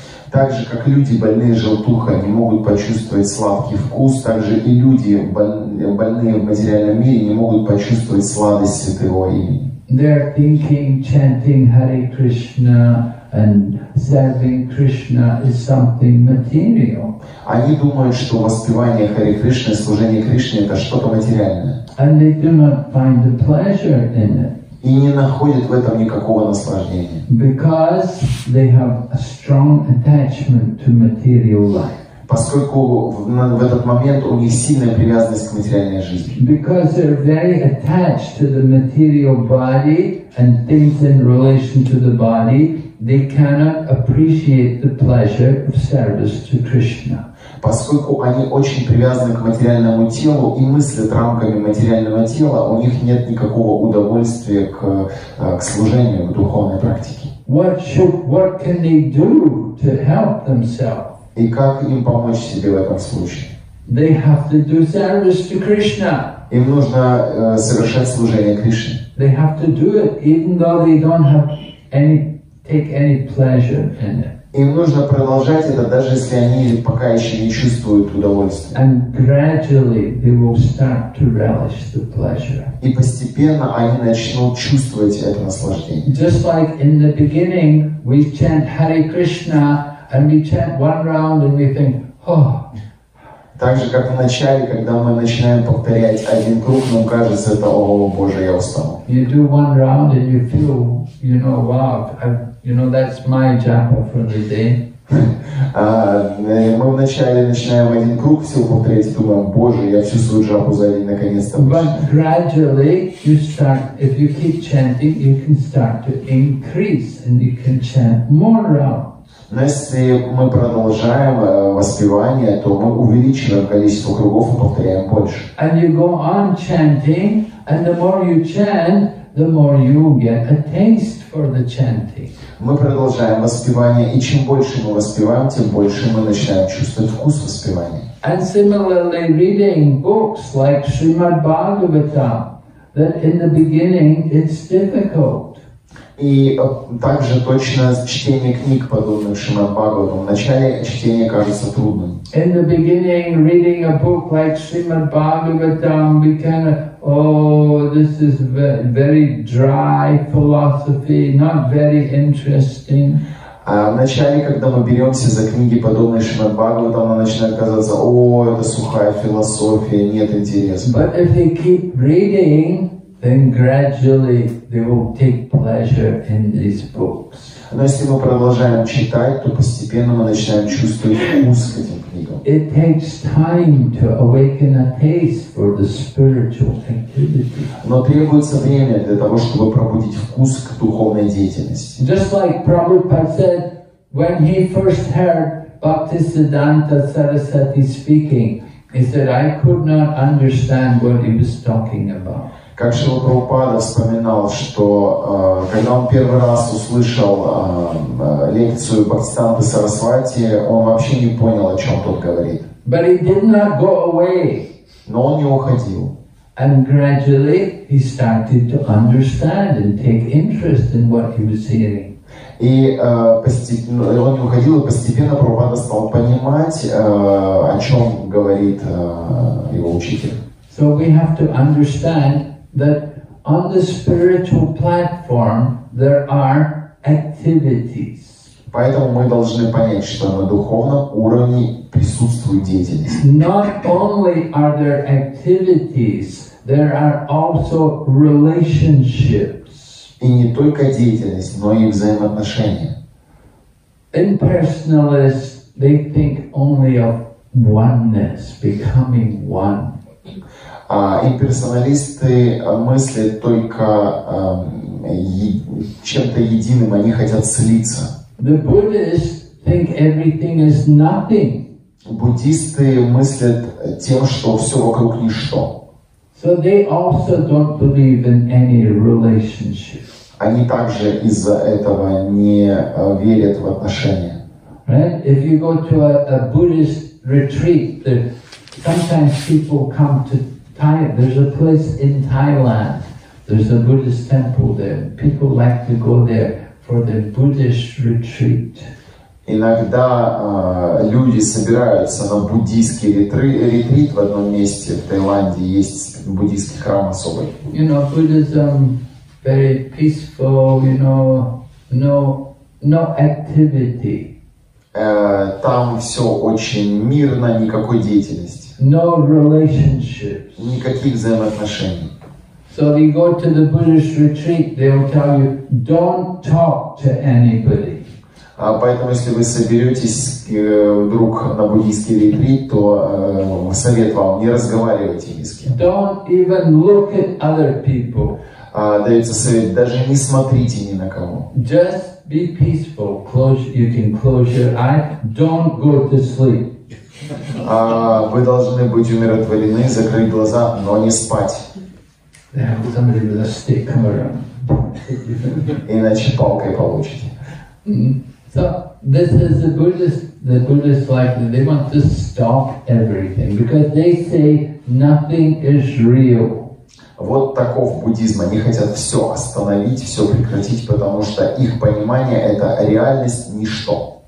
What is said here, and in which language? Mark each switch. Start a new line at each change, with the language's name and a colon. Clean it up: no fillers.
Russian: Так же, как люди, больные желтухой, не могут почувствовать сладкий вкус, так же и люди, больные в материальном мире, не могут почувствовать сладость святого имени.
English: They're thinking, chanting Hare Krishna and serving Krishna is something material.
Russian: Они думают, что воспевание Харе Кришны, служение Кришне – это что-то материальное.
English: And they do not find the pleasure in it.
Russian: И не находят в этом никакого наслаждения.
English: Because they have a strong attachment to material life.
Russian: Поскольку в этот момент у них сильная привязанность к материальной жизни.
English: Because they're very attached to the material body and things in relation to the body, they cannot appreciate the pleasure of service to Krishna.
Russian: Поскольку они очень привязаны к материальному телу и мыслят рамками материального тела, у них нет никакого удовольствия к служению, к духовной практике.
English: What can they do to help themselves?
Russian: И как им помочь себе в этом случае?
English: They have to do service to Krishna.
Russian: Им нужно совершать служение Кришне.
English: They have to do it, even though they don't have take any pleasure in it.
Russian: Им нужно продолжать это, даже если они пока еще не чувствуют удовольствия.
English: And gradually they will start to relish the pleasure.
Russian: И постепенно они начнут чувствовать это наслаждение.
English: Just like in the beginning, we chant Hare Krishna, and we chant one round, and we think, oh.
Russian: Так же, как в начале, когда мы начинаем повторять один круг, нам кажется, это, о, Боже, я устал.
English: You do one round, and you feel, you know, wow, that's my japa for the day.
Russian: Мы вначале начинаем один круг, все повторять, думаем, Боже, я всю свою джапу за день наконец-то вышел.
English: But gradually, you start, if you keep chanting, you can start to increase, and you can chant more rounds.
Russian: Но если мы продолжаем воспевание, то мы увеличиваем количество кругов и повторяем больше.
English: And you go on chanting, and the more you chant, the more you get a taste for the chanting.
Russian: мы продолжаем воспевание, и чем больше мы воспеваем, тем больше мы начинаем чувствовать вкус воспевания.
English: And similarly, reading books like Srimad Bhagavatam, that in the beginning it's difficult.
Russian: И также точно чтение книг подобных Шримад Бхагаватам. Вначале чтение кажется трудным.
English: In the beginning, reading a book like Srimad Bhagavatam, we kind of, this is very dry philosophy, not very interesting.
Russian: А вначале, когда мы беремся за книги подобные Шримад Бхагаватам, нам начинает казаться, это сухая философия, нет интереса.
English: But if you keep reading, then gradually they will take pleasure in these books.
Russian: Но если мы продолжаем читать, то постепенно мы начинаем чувствовать вкус к этим книгам.
English: It takes time to awaken a taste for the spiritual activity.
Russian: Но требуется время для того, чтобы пробудить вкус к духовной деятельности.
English: Just like Prabhupada said, when he first heard Bhaktisiddhanta Sarasvati speaking, he said, I could not understand what he was talking about.
Russian: Как Шрила Прабхупада вспоминал, что когда он первый раз услышал лекцию Бхактисиддханты Сарасвати, он вообще не понял, о чем тот говорит.
English: But he did not go away.
Russian: Но он не уходил.
English: And gradually he started to understand and take interest in what he was hearing.
Russian: И он не уходил, и постепенно Прабхупада стал понимать, о чем говорит его учитель.
English: So we have to understand that on the spiritual platform there are activities.
Russian: Поэтому мы должны понять, что на духовном уровне присутствует деятельность.
English: Not only are there activities, there are also relationships.
Russian: И не только деятельность, но и взаимоотношения.
English: Impersonalists, they think only of oneness, becoming one.
Russian: Имперсоналисты мыслят только чем-то единым, они хотят слиться.
English: The Buddhists think everything is nothing.
Russian: Буддисты мыслят тем, что все вокруг ничто.
English: So they also don't believe in any relationship.
Russian: Они также из-за этого не верят в отношения.
English: Right? If you go to a Buddhist retreat, sometimes people come to there's a place in Thailand. There's a Buddhist temple there. People like to go there for their Buddhist retreat.
Russian: Иногда люди собираются на буддийский ретрит в одном месте в Таиланде. Есть буддийский храм особый.
English: You know, Buddhism very peaceful. You know, no activity.
Russian: Там все очень мирно, никакой деятельности.
English: No relationships.
Russian: Никаких взаимоотношений.
English: So you go to the Buddhist retreat, they'll tell you, don't talk to anybody.
Russian: Поэтому, если вы соберетесь вдруг на буддийский ретрит, то совет вам, не разговаривайте ни с кем.
English: Don't even look at other people.
Russian: Дается совет, даже не смотрите ни на кого.
English: Just be peaceful. You can close your eyes. Don't go to sleep.
Russian: Вы должны быть умиротворены, закрыть глаза, но не спать.
English: Somebody with a stick come around.
Russian: Иначе палкой получите.
English: So this is the Buddhist. The Buddhists like that. They want to stop everything because they say nothing is real.
Russian: Вот таков буддизм. Они хотят все остановить, все прекратить, потому что их понимание — это реальность, ничто.